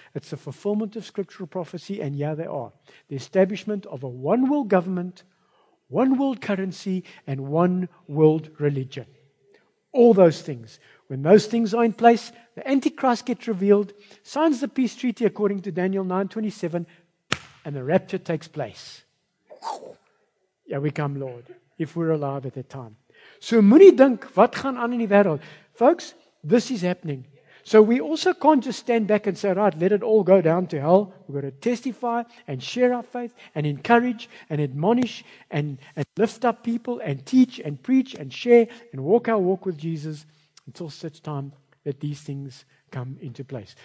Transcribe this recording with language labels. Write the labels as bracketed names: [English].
[English] It's a fulfillment of scriptural prophecy, and yeah, they are. The establishment of a one world government, one world currency, and one world religion. All those things. When those things are in place, the Antichrist gets revealed, signs the peace treaty according to Daniel 9:27, and the rapture takes place. Ja, we come, Lord, if we're alive at that time. [Afrikaans] So, moenie dink, wat gaan aan in die wêreld? [English] Folks, this is happening. So, we also can't just stand back and say, right, let it all go down to hell. We've got to testify and share our faith and encourage and admonish and lift up people and teach and preach and share and walk our walk with Jesus until such time that these things come into place.